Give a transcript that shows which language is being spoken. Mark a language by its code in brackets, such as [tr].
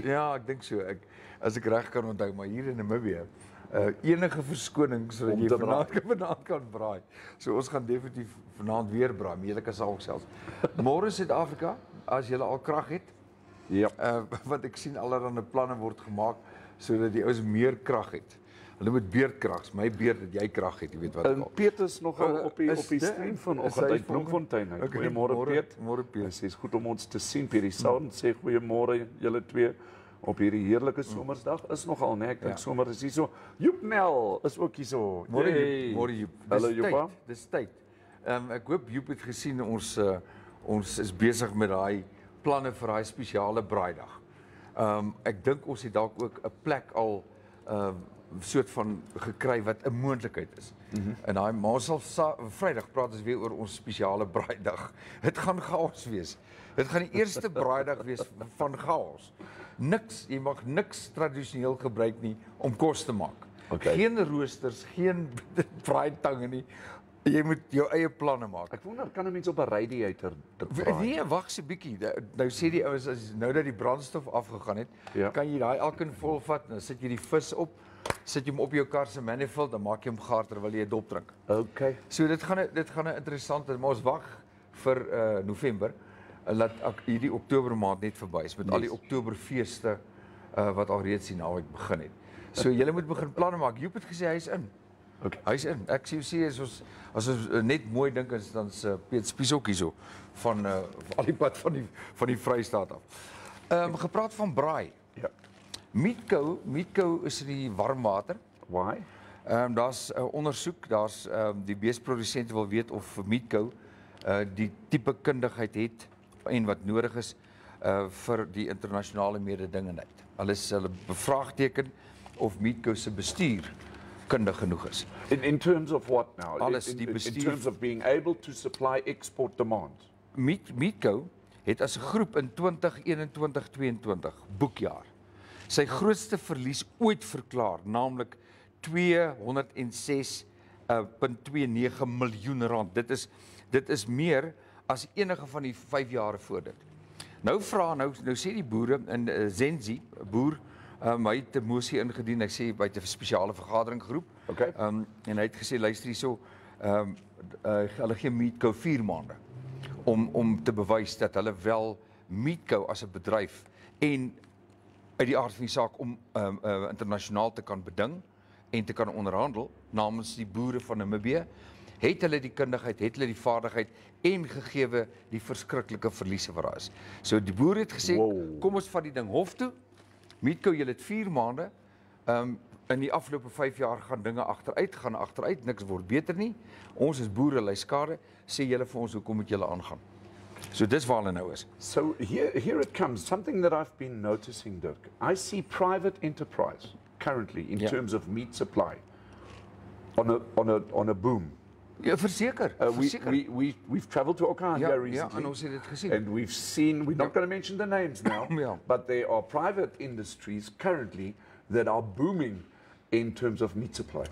[af] Ja, ek dink so. Ek as ek reg kan onthou, maar hier in Namibia, enige verskoning sodat jy vanaand kan braai. So ons gaan definitief vanaand weer braai, maar jy kan ook self. Môre Suid-Afrika, as jy al krag het. Ja. Wat ek sien allerlei planne word gemaak sodat die ouens meer krag het. Hulle moet beerdkrags, my beerd dat jy krag het, jy weet wat. Peters nog op die stream vanoggend uit Bloemfontein. Goeiemôre Peet. Môre Peet. Dit is goed om ons te sien, Pierie. Salmon sê goeiemôre julle twee. Op hierdie heerlike somersdag is nogal nê, ek dink somer is hier so. Joep Nel is ook hier so. Môre môre Joep. Hallo Joep. Dis tyd. Ek hoop Joep het gesien ons is besig met daai planne vir daai spesiale braaidag. Ek dink ons het dalk ook 'n plek al soort van gekry wat 'n moontlikheid is. En daai Vrydag praat ons weer oor ons spesiale braaidag. Dit gaan chaos wees. Dit gaan die eerste braaidag wees van chaos. Niks, jy mag niks tradisioneel gebruik nie om kos te maak. Okay. Geen roosters, geen braaitange nie. Jy moet jou eie planne maak. Ek wonder kan 'n mens op 'n radiator braai? Nee, wag 'n bietjie. Nou sê die ouens as nou dat die brandstof afgegaan het, kan jy daai elkeen vol vat en dan sit jy die vis op. Sit jy hom op jou kar se manifold, dan maak jy hom gaar terwyl jy dop drink. Okay. So dit gaan 'n interessante, maar ons wag vir November. Laat hierdie Oktober maand net verby is met al die Oktoberfeeste wat al reeds hier naweek begin het. So julle moet begin planne maak. Joep het gesê hy's in. Okay. Hy's in. Ek sien sê as ons net mooi dink as dan se Piet Spies ook hierso van al die pad van die Vrystaat af. Gepraat van braai. Ja. Meatcow is in die warm water. [en] Why? [af] Daar's 'n ondersoek, daar's die beesprodusente wil weet of Meatcow die tipe kundigheid het en wat nodig is vir die internasionale mededingendheid. Hulle bevraagteken of Meatcow se bestuur kundig genoeg is. [en] In terms of what now? [af] Alles die bestuur, [en] in terms of being able to supply export demand. [af] Meatcow het as 'n groep in 2021-22 boekjaar sy grootste verlies ooit verklaar, naamlik 206 1.29 miljoen rand. Dit is meer as enige van die 5 jare voor dit. Nou sê die boere in Zenzi, boer, hy het 'n mosie ingedien. Hy sê by 'n spesiale vergadering geroep. Okay. En hy het gesê luister hierso, hulle gee Meatco 4 maande om te bewys dat hulle wel Meatco as 'n bedryf en uit die aard van die saak om internasionaal te kan beding en te kan onderhandel namens die boere van Namibia. Het hulle die kundigheid, het hulle die vaardigheid en gegeewe die verskriklike verliese wat daar is. So die boer het gesê, wow. Kom ons vat die ding hof toe. Meatco, julle het 4 maande. In die afgelope 5 jaar gaan dinge achteruit, niks word beter nie. Ons is boere, lei skade, sê julle vir ons, hoekom moet julle aangaan? So dis waar hulle nou is. [en] So here it comes, something that I've been noticing, Dirk. I see private enterprise currently in terms of meat supply on a boom. [af] Ja, verseker. [en] We've traveled to Okahan recently, and we've seen, we're not going to mention the names now, but there are private industries currently that are booming in terms of meat supply.